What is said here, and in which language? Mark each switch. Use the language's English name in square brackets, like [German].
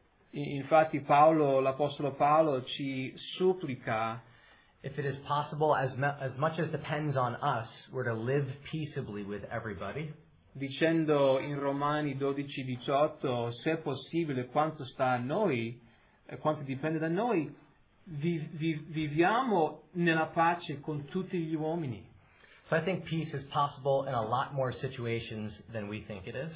[Italian] Infatti l'apostolo Paolo ci supplica. [English] If it is possible, as much as depends on us, we're to live peaceably with everybody. [Italian] Dicendo in Romani 12:18, se possibile, quanto sta a noi, quanto dipende da noi. Viviamo nella pace con tutti gli uomini. [English] So I think peace is possible in a lot more situations than we think it is.